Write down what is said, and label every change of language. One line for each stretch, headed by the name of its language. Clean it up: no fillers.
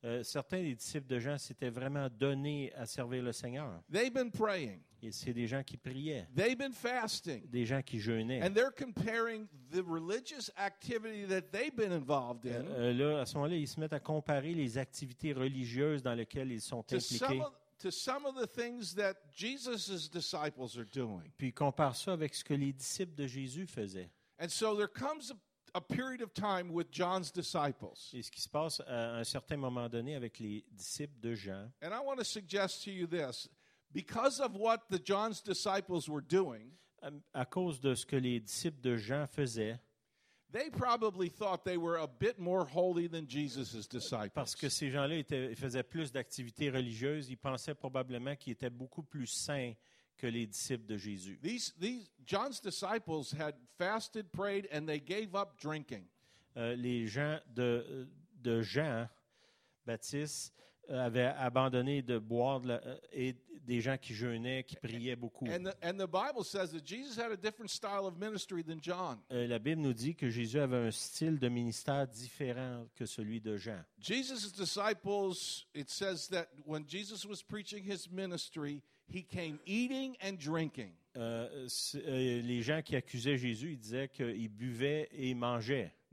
French: Certains des disciples de Jean s'étaient vraiment donnés à servir le Seigneur.
English: They've been praying.
French: Et c'est des gens qui priaient.
English: They've been fasting.
French: Des gens qui jeûnaient.
English: And they're comparing the religious activity that they've been involved in.
French: Là, à ce moment-là, ils se mettent à comparer les activités religieuses dans lesquelles ils sont impliqués.
English: To some of the things that Jesus' disciples are doing.
French: Puis compare ça avec ce que les disciples de Jésus faisaient.
English: And so there comes a period of time with John's disciples.
French: Et ce qui se passe à un certain moment donné avec les disciples de Jean.
English: And I want to suggest to you this, because of what the John's disciples were doing.
French: À cause de ce que les disciples de Jean faisaient.
English: They probably thought they were a bit more holy than Jesus' disciples.
French: Parce que ces gens-là faisaient plus d'activités religieuses, ils pensaient probablement qu'ils étaient beaucoup plus saints que les disciples de Jésus.
English: These John's disciples had fasted, prayed, and they gave up drinking.
French: Les gens de Jean Baptiste avaient abandonné de boire et des gens qui jeûnaient, qui priaient beaucoup.
English: And the Bible says that Jesus had a different style of ministry than John.
French: La Bible nous dit que Jésus avait un style de ministère différent que celui de Jean.
English: Jesus' disciples, it says that when Jesus was preaching his ministry, he came eating and drinking.
French: Les gens qui accusaient Jésus, ils disaient qu'il buvait et mangeait.